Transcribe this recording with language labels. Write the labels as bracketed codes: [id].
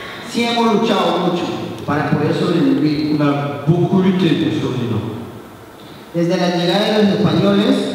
[es] Sí hemos luchado mucho para poder sobrevivir. [fr] Una beaucoup lutté pour survivre. [es] Desde la llegada de los españoles.